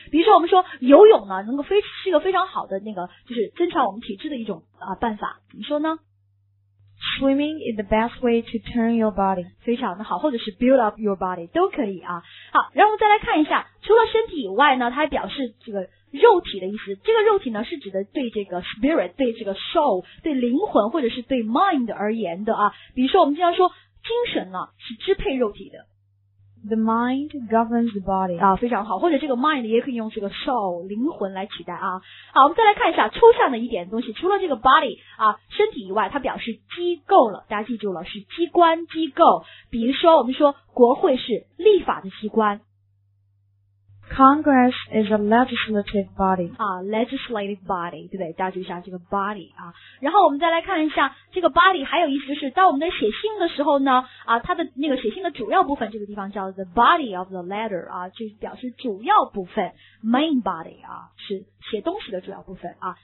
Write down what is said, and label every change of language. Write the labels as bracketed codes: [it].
[zh] 比如说我们说游泳呢，能够是一个非常好的那个，就是增强我们体质的一种办法。怎么说呢 [en] ？Swimming is the best way to turn your body. [zh] 非常的好，或者是 [en] build up your body [zh] 都可以啊。好，然后我们再来看一下，除了身体以外呢，它还表示这个肉体的意思。这个肉体呢，是指的对这个 spirit， 对这个 soul， 对灵魂或者是对 mind 而言的啊。比如说我们经常说精神呢，是支配肉体的。 [en] The mind governs the body. [zh] 啊，非常好。或者这个 mind 也可以用这个 soul 灵魂来取代啊。好，我们再来看一下抽象的一点东西，除了这个 body 啊身体以外，它表示机构了。大家记住了，是机关机构。比如说，我们说国会是立法的机关。 [en] Congress is a legislative body. [zh] 啊 ，legislative body， 对不对？大家注意一下这个 body 啊。然后我们再来看一下这个 body， 还有意思就是，当我们在写信的时候呢，啊，它的那个写信的主要部分这个地方叫 [en] the body of the letter， [zh] 啊，就表示主要部分 main body， 啊，是写东西的主要部分啊。